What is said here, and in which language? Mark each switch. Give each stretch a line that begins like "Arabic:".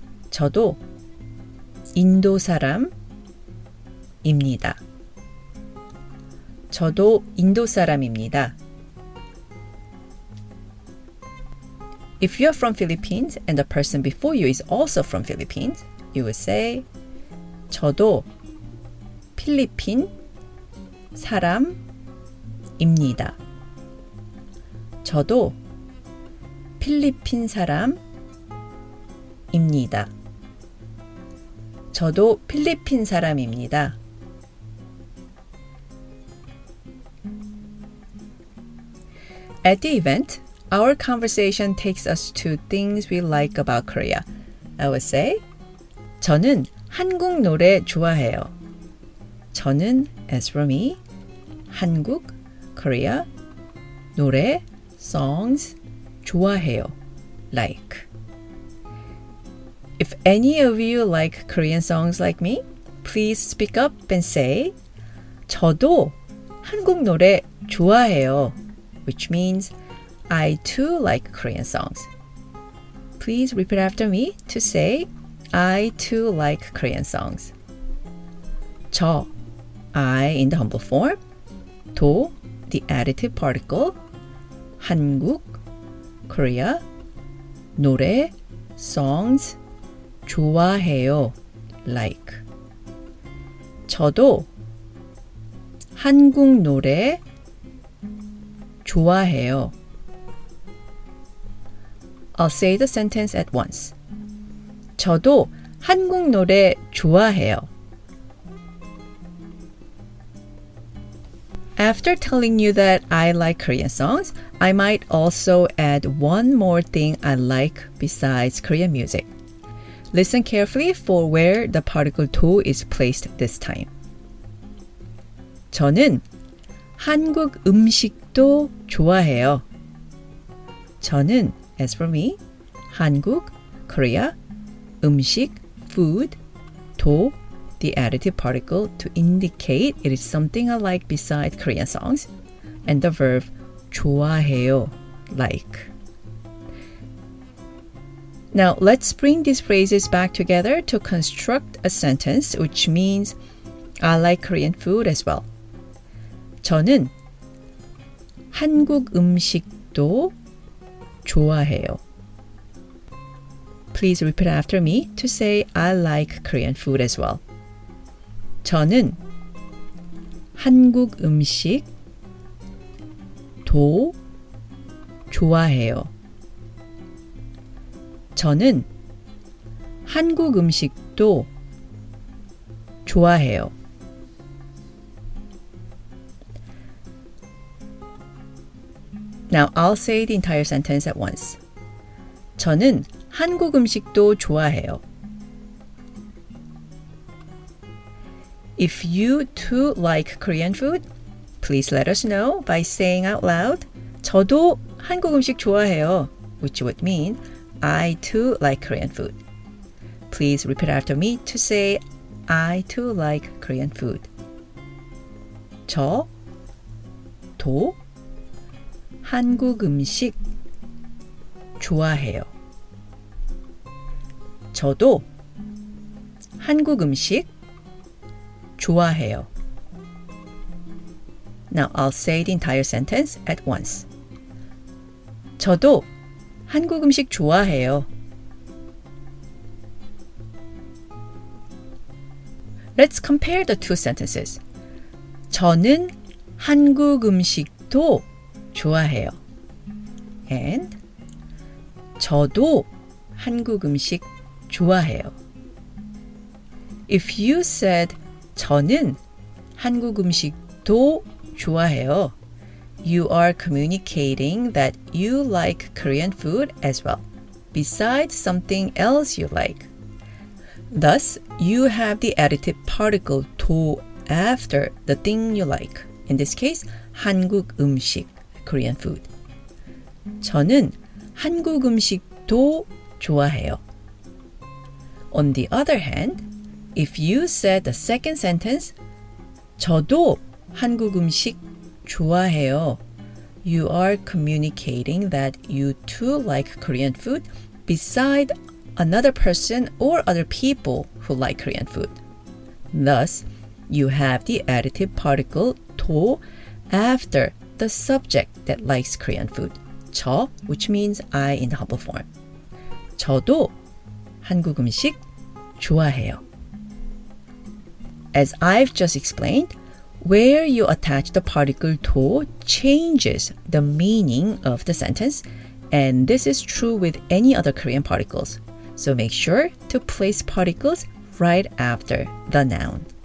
Korean: 저도 인도 사람입니다. 저도 인도 사람입니다.
English: If you are from Philippines and the person before you is also from Philippines, you would say
Korean: 저도 필리핀 사람입니다. 저도 필리핀 사람입니다. 저도 필리핀 사람입니다.
English: At the event, our conversation takes us to things we like about Korea. I would say,
Korean: 저는 한국 노래 좋아해요. 저는,
English: as for me, 한국, Korea,
Korean: 노래,
English: songs,
Korean: 좋아해요, like.
English: If any of you like Korean songs like me, please speak up and say,
Korean: 저도 한국 노래 좋아해요,
English: which means, I too like Korean songs. Please repeat after me to say, I too like Korean songs.
Korean: 저,
English: I in the humble form,
Korean: 도,
English: the additive particle,
Korean: 한국,
English: Korea,
Korean: 노래,
English: songs,
Korean: 좋아해요,
English: like.
Korean: 저도 한국 노래 좋아해요.
English: I'll say the sentence at once.
Korean: 저도 한국 노래 좋아해요.
English: After telling you that I like Korean songs, I might also add one more thing I like besides Korean music. Listen carefully for where the particle 도 is placed this time.
Korean: 저는 한국 음식도 좋아해요. 저는,
English: as for me,
Korean: 한국,
English: Korea,
Korean: 음식,
English: food,
Korean: 도,
English: the additive particle to indicate it is something I like besides Korean songs, and the verb
Korean: 좋아해요,
English: like. Now, let's bring these phrases back together to construct a sentence which means I like Korean food as well.
Korean: 저는 한국 음식도 좋아해요.
English: Please repeat after me to say I like Korean food as well.
Korean: 저는 한국 음식도 좋아해요. 저는 한국 음식도 좋아해요.
English: Now I'll say the entire sentence at once.
Korean: 저는 한국 음식도 좋아해요.
English: If you too like Korean food, please let us know by saying out loud,
Korean: 저도 한국 음식 좋아해요,
English: which would mean, I too like Korean food. Please repeat after me to say, I too like Korean food.
Korean: 저도 한국 음식 좋아해요. 저도 한국 음식 좋아해요.
English: Now I'll say the entire sentence at once.
Korean: 저도 한국 음식 좋아해요.
English: Let's compare the two sentences.
Korean: 저는 한국 음식도 좋아해요.
English: And
Korean: 저도 한국 음식 좋아해요.
English: If you said
Korean: 저는 한국 음식도 좋아해요,
English: you are communicating that you like Korean food as well, besides something else you like. Thus, you have the additive particle 도 after the thing you like. In this case,
Korean: 한국 음식,
English: Korean food.
Korean: 저는 한국 음식도 좋아해요.
English: On the other hand, if you said the second sentence,
Korean: 저도 한국 음식 좋아해요,
English: you are communicating that you too like Korean food beside another person or other people who like Korean food. Thus, you have the additive particle 도 after the subject that likes Korean food. 저, which means I in the humble form.
Korean: 저도 한국 음식 좋아해요.
English: As I've just explained, where you attach the particle 도 changes the meaning of the sentence, and this is true with any other Korean particles. So make sure to place particles right after the noun.